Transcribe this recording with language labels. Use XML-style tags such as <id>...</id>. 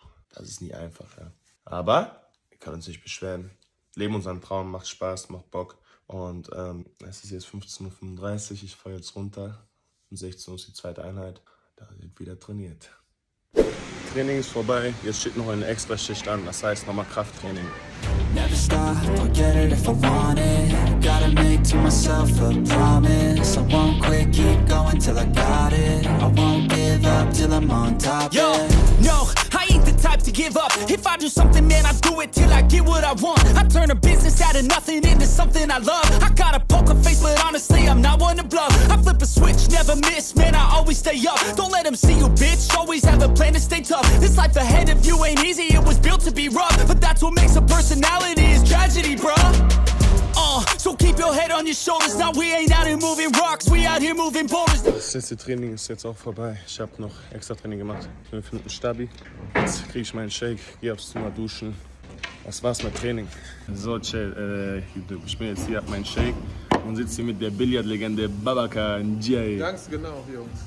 <de>Das ist nie einfach, ja. Aber wir können uns nicht beschweren. Leben unseren Traum, macht Spaß, macht Bock. Und es ist jetzt 15.35 Uhr, ich fahre jetzt runter. Um 16 Uhr ist die zweite Einheit, da wird wieder trainiert. Training ist vorbei, jetzt steht noch eine extra Schicht an, das heißt nochmal Krafttraining.</de> <en>Never stop, I'll get it if I want it. Gotta make to myself a promise. I won't quit, keep going till I got it. I won't give up till I'm on top. Yo, no, I ain't the type to give up. If I do something, man, I do it till I get what I want. I turn a business out of nothing into something I love. I got a poker face, but honestly, I'm not one to bluff. I flip a switch, never miss, man, I always stay up. Don't let them see you, bitch, always have a plan to stay tough. This life ahead of you ain't easy, it was built to be rough. But that's what makes a personality is tragedy, bruh. So keep your head on your shoulders. Now we ain't out here moving rocks, we out here moving boulders.</en> <de>Das letzte Training ist jetzt auch vorbei. Ich hab noch extra Training gemacht. Ich bin für einen Stabi. Jetzt krieg ich meinen Shake, geh aufs Zimmer duschen. Das war's mit Training. So, chill, ich bin jetzt hier, hab meinen Shake und sitze hier mit der Billardlegende Babacan Jay. Ganz genau, Jungs.</de>